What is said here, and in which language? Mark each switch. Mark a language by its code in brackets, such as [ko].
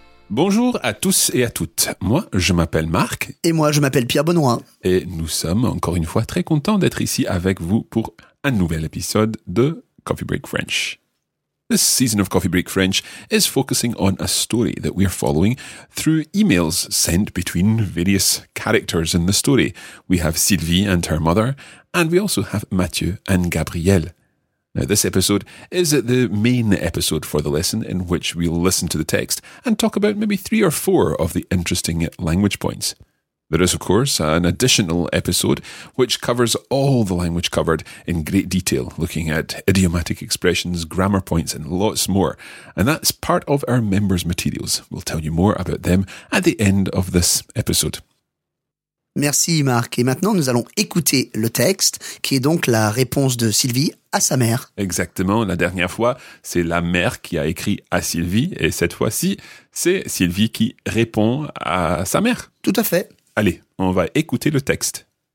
[fr] Bonjour à tous et à toutes. Moi, je m'appelle Marc. Et moi, je m'appelle Pierre Benoît. Et nous sommes encore une fois très contents d'être ici avec vous pour un nouvel épisode de Coffee Break French. [en] This season of Coffee Break French is focusing on a story that we are following through emails sent between various characters in the story. We have Sylvie and her mother, and we also have Mathieu and Gabrielle. Now, this episode is the main episode for the lesson in which we'll listen to the text and talk about maybe three or four of the interesting language points. There is, of course, an additional episode which covers all the language covered in great detail, looking at idiomatic expressions, grammar points, and lots more. And that's part of our members' materials. We'll tell you more about them at the end of this episode. [fr] Merci, Marc. Et maintenant, nous allons écouter le texte, qui est donc la réponse de Sylvie à sa mère. Exactement. La dernière fois, c'est la mère qui a écrit à Sylvie. Et cette fois-ci, c'est Sylvie qui répond à sa mère. Tout à fait. Allez, on va écouter le texte.